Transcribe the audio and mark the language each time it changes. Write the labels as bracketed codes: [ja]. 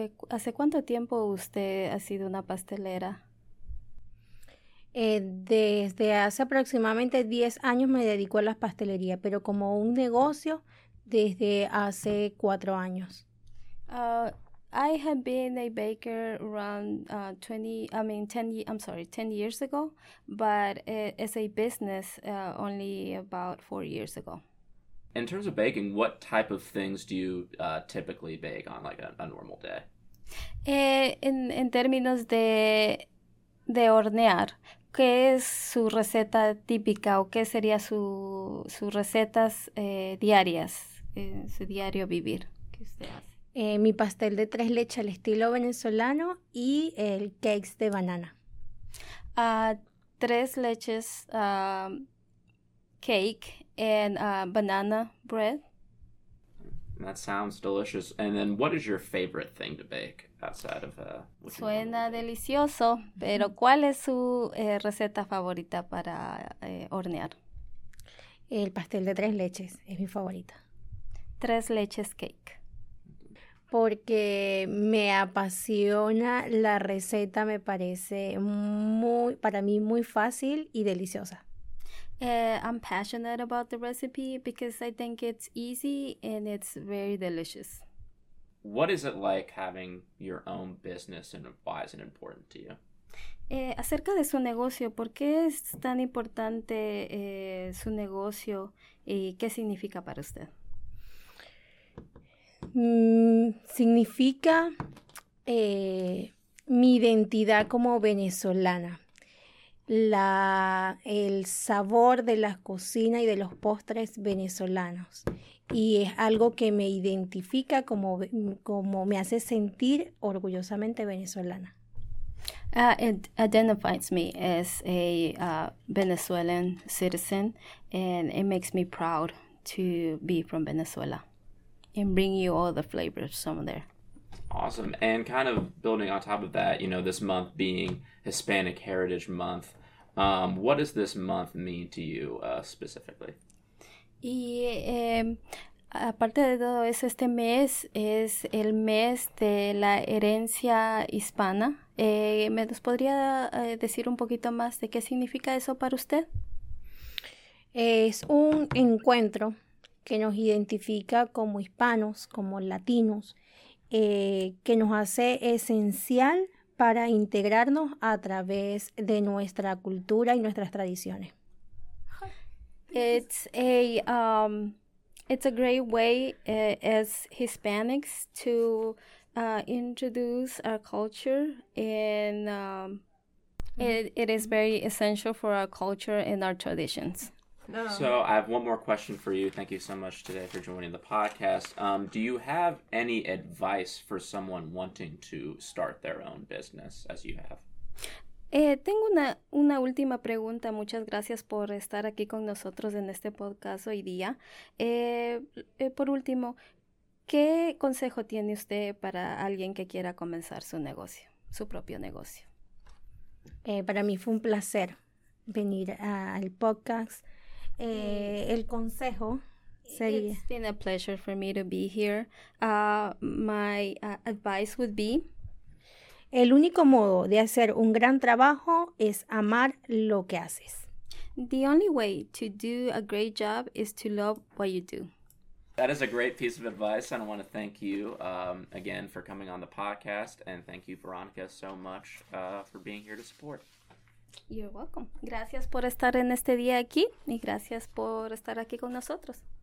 [es] ¿Hace cuánto tiempo usted ha sido una pastelera? Desde hace aproximadamente 10 años me dedico a las pastelerías, pero como un negocio desde hace 4 años. [en] I have been a baker around 20, I mean 10, I'm sorry, 10 years ago, but as a business only about 4 years ago. In terms of baking, what type of things do you typically bake on like a normal day? [es] En términos de hornear, ¿qué es su receta típica o qué sería sus recetas diarias, en su diario vivir que usted hace? Mi pastel de tres leches al estilo venezolano y el cakes de banana. [en] Tres leches, cake and banana bread. That sounds delicious. And then what is your favorite thing to bake outside of what you normally [es] Suena [en] bake? [es] delicioso, pero ¿cuál es su receta favorita para hornear? El pastel de tres leches es mi favorita. [en] Tres leches cake. [es] Porque me apasiona la receta, me parece para mí muy fácil y deliciosa. [en] I'm passionate about the recipe because I think it's easy and it's very delicious. What is it like having your own business and why is it important to you? [es] Acerca de su negocio, ¿por qué es tan importante su negocio y qué significa para usted? Significa mi identidad como venezolana. El sabor de la cocina y de los postres venezolanos. Y es algo que me identifica como me hace sentir orgullosamente venezolana. [en] It identifies me as a Venezuelan citizen, and it makes me proud to be from Venezuela and bring you all the flavors from there. Awesome. And kind of building on top of that, this month being Hispanic Heritage Month, what does this month mean to you, specifically? [es] Y aparte de todo eso, este mes es el mes de la herencia hispana. ¿Me nos podría decir un poquito más de qué significa eso para usted? Es un encuentro que nos identifica como hispanos, como latinos, que nos hace esencial para integrarnos a través de nuestra cultura y nuestras tradiciones. [en] It's a great way as Hispanics to introduce our culture, and it is very essential for our culture and our traditions. So I have one more question for you. Thank you so much today for joining the podcast. Do you have any advice for someone wanting to start their own business as you have? [es] Tengo una última pregunta. Muchas gracias por estar aquí con nosotros en este podcast hoy día. Por último, ¿qué consejo tiene usted para alguien que quiera comenzar su negocio, su propio negocio? Para mí fue un placer venir al podcast. El consejo [en] It's [es] sería. [en] been a pleasure for me to be here. My advice would be. [es] El único modo de hacer un gran trabajo es amar lo que haces. [en] The only way to do a great job is to love what you do. That is a great piece of advice, and I want to thank you again for coming on the podcast, and thank you, Veronica, so much for being here to support. You're welcome. [es] Gracias por estar en este día aquí y gracias por estar aquí con nosotros.